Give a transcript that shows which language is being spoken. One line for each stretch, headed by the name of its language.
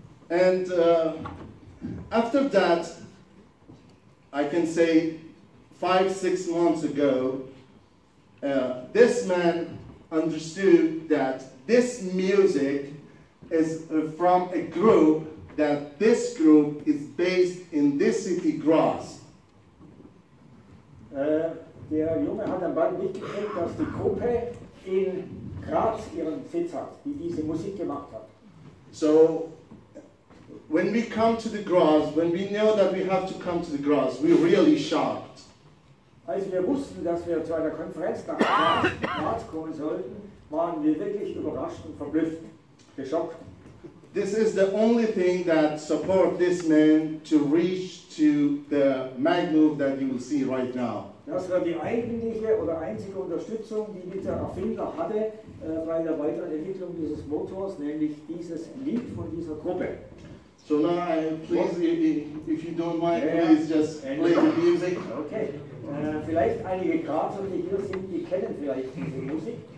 English: And after that, I can say 5-6 months ago, this man understood that this music is from a group, that this group is based in this city, Graz.
German: Der Junge hat dann bald mitgekriegt, dass die Gruppe in Graz ihren Sitz hat, die diese Musik gemacht hat.
English: So, when we come to the Graz, when we know that we have to come to the Graz, we're really shocked.
German: Als wir wussten, dass wir zu einer Konferenz nach Graz kommen sollten, waren wir wirklich überrascht und verblüfft, geschockt.
English: This is the only thing that support this man to reach to the Magmov that you will see right now.
German: Das war die eigentliche oder einzige Unterstützung, die dieser Erfinder hatte bei der weiteren Entwicklung dieses Motors, nämlich dieses Lied von dieser Gruppe.
English: So now, please, if you don't mind, please just play the music.
German: Okay, vielleicht einige Grazer, die hier sind, die kennen vielleicht diese Musik.